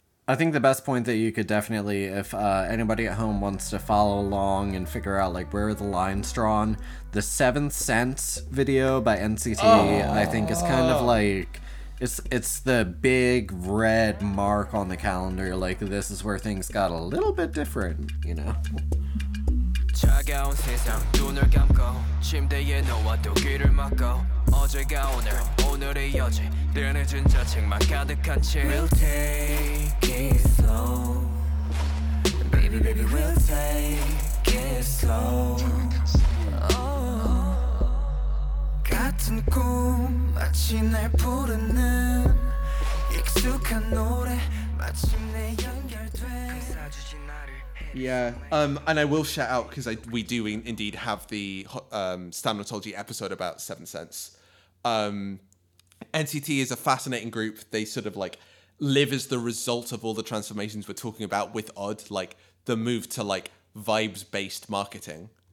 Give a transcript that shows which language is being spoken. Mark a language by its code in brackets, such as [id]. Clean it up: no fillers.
[en] I think the best point that you could definitely, if anybody at home wants to follow along and figure out, like, where are the lines drawn, the Seventh Sense video by NCT, I think is kind of like, it's the big red mark on the calendar. Like, this is where things got a little bit different, you know? [ko] 차가운 세상 눈을 감고 침대에 놓아도 귀를 막고 어제가 오늘 오늘의 여지 늘어진 자책만 가득한 채 [en] We'll take it slow Baby baby we'll take it slow oh. [ko] 같은 꿈 마치 날 부르는 익숙한 노래 마침내 연결된 [en] Yeah, and I will shout out, because we do indeed have the Stanotology episode about Seventh Sense. NCT is a fascinating group. They sort of, like, live as the result of all the transformations we're talking about with Odd, like, the move to, like, vibes-based marketing.